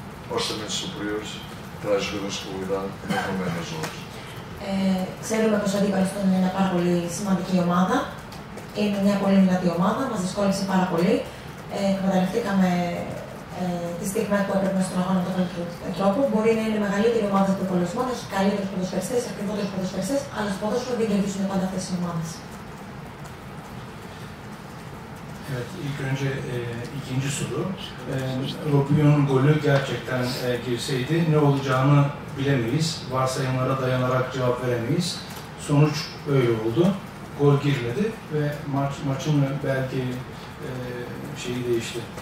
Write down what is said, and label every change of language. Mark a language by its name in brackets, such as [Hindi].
[Portuguese] Orçamentos superiores, traz jogadores de qualidade, não também nas outras. [Greek] Ξέρουμε πως ο αντίπαλος ήταν μια πάρα πολύ σημαντική ομάδα. Είναι μια πολύ δυνατή ομάδα, μας δυσκόλυψε πάρα πολύ. Εκμεταλλευτήκαμε τη στιγμή που έπρεπε στον αγώνα με τον καλύτερο τρόπο. Μπορεί να είναι μεγαλύτερη ομάδα από τον πολιτισμό, να έχει καλύτερους ποδοσφαιριστές, ακριβότερους ποδοσφαιριστές, αλλά στο ποδόσφαιρο δεν κερδίζουν πάντα αυτές οι ομάδες. [Turkish] Evet, ilk önce ikinci soru. Robinho'nun golü gerçekten girseydi ne olacağını bilemeyiz. Varsayımlara dayanarak cevap veremeyiz. Sonuç öyle oldu. Gol girmedi ve maçın belki şeyi değişti.